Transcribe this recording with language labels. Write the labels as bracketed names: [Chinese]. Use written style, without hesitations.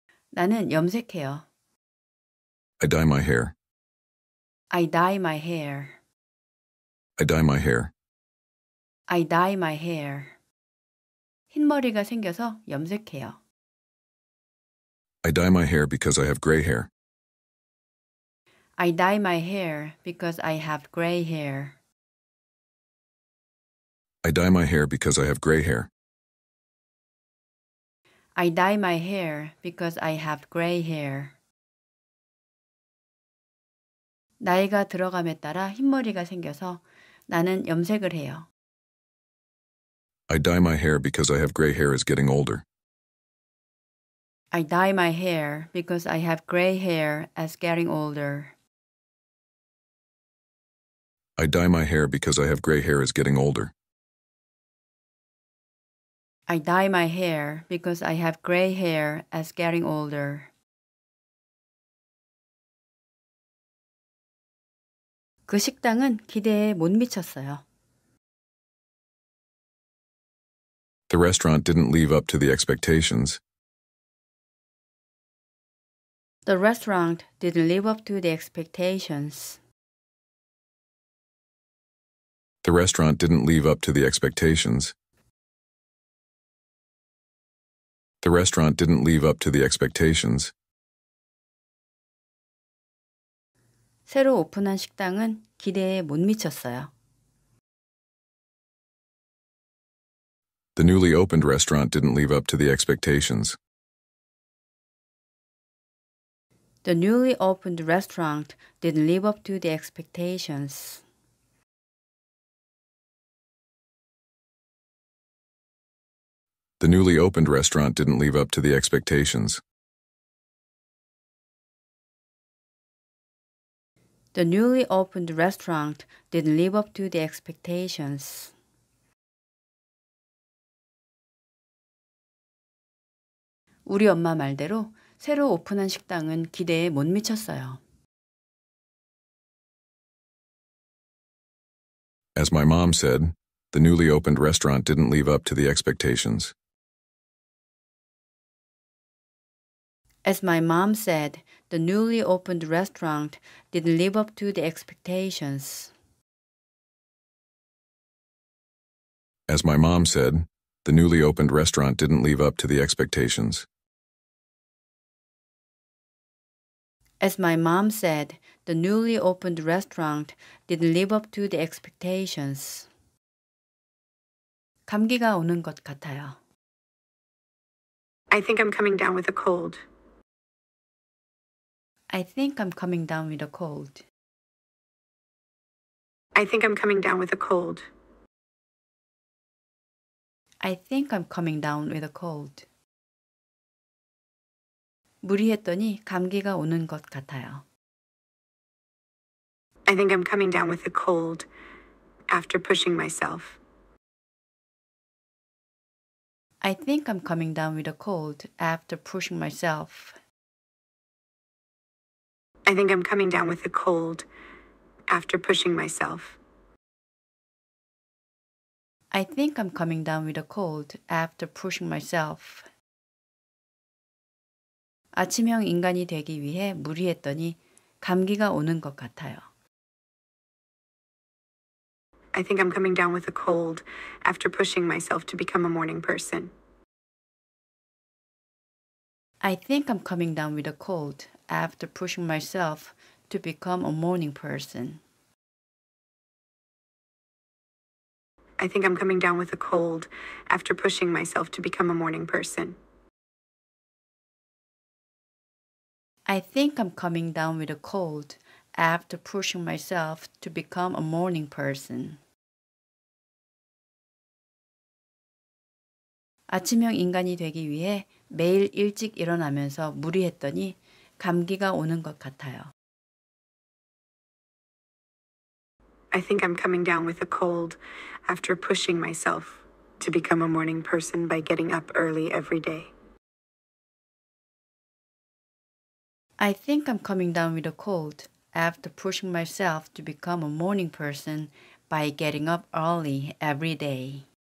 [Korean] 나는 염색해요. [English] I dye my hair. I dye my hair. I dye my hair. I dye my hair. [Korean] 흰 머리가 생겨서 염색해요. [English] I dye my hair because I have gray hair. I dye my hair because I have gray hair. I dye my hair because I have gray hair. I dye my hair because I have gray hair. [Korean] 나이가 들어감에 따라 흰머리가 생겨서 나는 염색을 해요. [English] I dye my hair because I have gray hair is getting older. I dye my hair because I have gray hair as getting older. I dye my hair because I have gray hair is getting older. I dye my hair because I have gray hair as getting older. [Korean] 그 식당은 기대에 못 미쳤어요. [English] The restaurant didn't live up to the expectations. The restaurant didn't live up to the expectations. The restaurant didn't live up to the expectations. The restaurant didn't live up to the expectations. [Korean] 새로 오픈한 식당은 기대에 못 미쳤어요. [English] The newly opened restaurant didn't live up to the expectations. The newly opened restaurant didn't live up to the expectations. The newly opened restaurant didn't live up to the expectations. The newly opened restaurant didn't live up to the expectations. [Korean] 우리 엄마 말대로 새로 오픈한 식당은 기대에 못 미쳤어요. [English] As my mom said, the newly opened restaurant didn't live up to the expectations. As my mom said, the newly opened restaurant didn't live up to the expectations. As my mom said, the newly opened restaurant didn't live up to the expectations. As my mom said, the newly opened restaurant didn't live up to the expectations. [Korean] 감기가 오는 것 같아요. [English] I think I'm coming down with a cold. I think I'm coming down with a cold. I think I'm coming down with a cold. I think I'm coming down with a cold. [Korean] 무리했더니 감기가 오는 것 같아요. [English] I think I'm coming down with a cold after pushing myself. I think I'm coming down with a cold after pushing myself. I think I'm coming down with a cold after pushing myself. I think I'm coming down with a cold after pushing myself. [Korean] 아침형 인간이 되기 위해 무리했더니 감기가 오는 것 같아요. [English] I think I'm coming down with a cold after pushing myself to become a morning person. I think I'm coming down with a cold after pushing myself to become a morning person. I think I'm coming down with a cold after pushing myself to become a morning person. I think I'm coming down with a cold after pushing myself to become a morning person. [Korean] 아침형 인간이 되기 위해 매일 일찍 일어나면서 무리했더니 감기가 오는 것 같아요. [English] I think I'm coming down with a cold after pushing myself to become a morning person by getting up early every day. I think I'm coming down with a cold after pushing myself to become a morning person by getting up early every day.